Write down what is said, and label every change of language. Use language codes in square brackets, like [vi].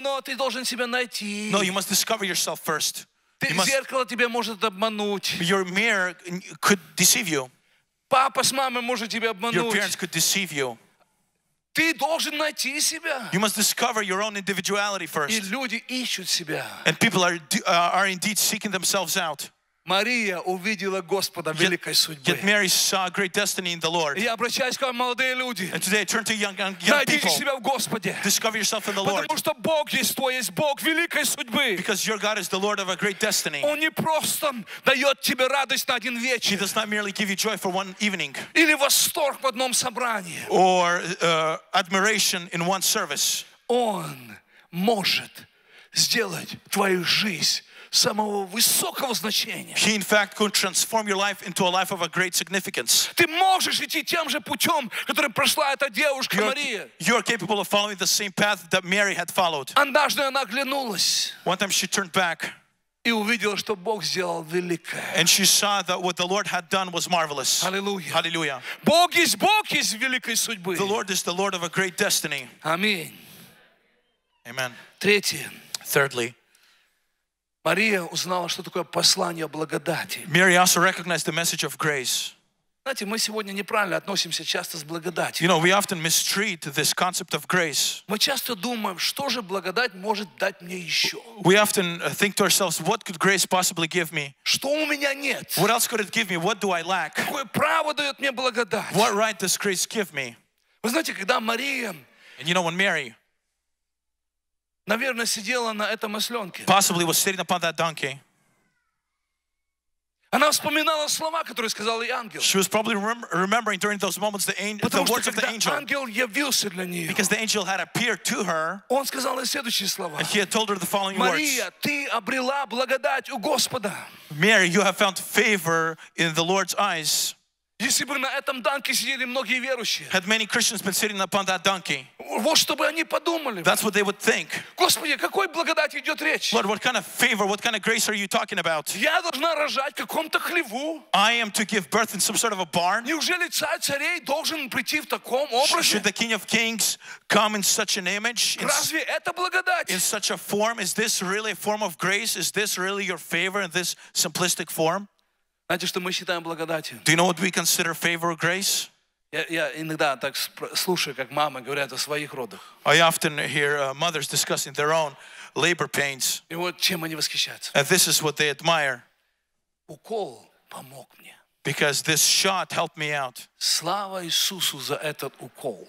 [ru] Но ты должен себя найти. [en] No, you must discover yourself first. [ru] Зеркало тебя может обмануть. [en] Your mirror could deceive you. [ru] Папа с мамой может тебя обмануть. [en] Your parents could deceive you. [ru] Ты должен найти себя. [en] You must discover your own individuality first. [ru] И люди ищут себя. [en] And people are indeed seeking themselves out. [ru] Мария увидела Господа великой судьбы. [en] Yet Mary saw a great destiny in the Lord. [ru] Я обращаюсь к вам, молодые люди. [en] And today I turn to young people. [ru] Найдите себя в Господе. [en] Discover yourself in the Lord. [ru] Потому что Бог есть твой, есть Бог великой судьбы. [en] Because your God is the Lord of a great destiny. [ru] Он не просто дает тебе радость на один вечер. [en] He does not merely give you joy for one evening. [ru] Или восторг в одном собрании. [en] Or admiration in one service. [ru] Он может сделать твою жизнь самого высокого значения. [en] He in fact could transform your life into a life of a great significance. [ru] Ты можешь идти тем же путем, которым прошла эта девушка Мария. [en] You are capable of following the same path that Mary had followed. [ru] Однажды она оглянулась. [en] One time she turned back. [ru] И увидела, что Бог сделал великое. [en] And she saw that what the Lord had done was marvelous. Hallelujah. Hallelujah. [ru] Бог из великой судьбы. [en] The Lord is the Lord of a great destiny. [ru] Аминь. [en] Amen. [ru] Третье. [en] Thirdly. [ru] Мария узнала, что такое послание благодати. [en] Mary also recognized the message of grace. [ru] Знаете, мы сегодня неправильно относимся часто с благодатью. [en] You know, we often mistreat this concept of grace. [ru] Мы часто думаем, что же благодать может дать мне еще? [en] We often think to ourselves, what could grace possibly give me? [ru] Что у меня нет? [en] What else could it give me? What do I lack? [ru] Какое право дает мне благодать? [en] What right does grace give me? [ru] Вы знаете, когда Мария... [en] And you know, when Mary... [ru] Наверное, сидела на этом осленке. [en] Possibly was sitting upon that donkey. [ru] Она вспоминала слова, которые сказал ей ангел. [en] She was probably remembering during those moments the words of the angel. [ru] Потому что когда ангел явился для нее, [en] because the angel had appeared to her, [ru] он сказал ей следующие слова. [en] And he had told her the following [ru] Мария, [en] words. [ru] Мария, ты обрела благодать у Господа. [en] Mary, you have found favor in the Lord's eyes. [ru] Если бы на этом донке сидели многие верующие, [en] had many Christians been sitting upon that donkey, [ru] вот что бы они подумали. [en] That's what they would think. [ru] Господи, какой благодати идет речь? [en] Lord, what kind of favor, what kind of grace are you talking about? [ru] Я должна рожать в каком-то хлеву? [en] I am to give birth in some sort of a barn? [ru] Неужели царь царей должен прийти в таком образе? [en] Should the King of Kings come in such an image? [ru] Разве это благодать? [en] In such a form? Is this really a form of grace? Is this really your favor in this simplistic form? [ru] Знаете, что мы считаем благодатью? [en] Do you know what we consider favor or grace? [ru] Я иногда так слушаю, как мамы говорят о своих родах. [en] I often hear mothers discussing their own labor pains. [ru] И вот чем они восхищаются. [en] And this is what they admire. [ru] Укол помог мне. [en] Because this shot helped me out. [ru] Слава Иисусу за этот укол.